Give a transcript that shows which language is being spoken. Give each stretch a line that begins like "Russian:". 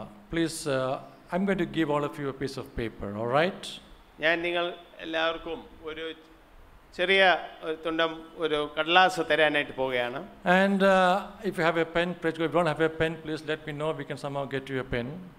English: Please, I'm going to give all of you a piece of paper, all right?
Malayalam: ഞാൻ നിങ്ങൾ എല്ലാവർക്കും ഒരു ചെറിയ ഒരു തുണ്ടം ഒരു കടലാസ് തരാനായിട്ട് പോവുകയാണ്.
English: And if you have a pen, please go. If you don't have a pen, please let me know. We can somehow get you a pen.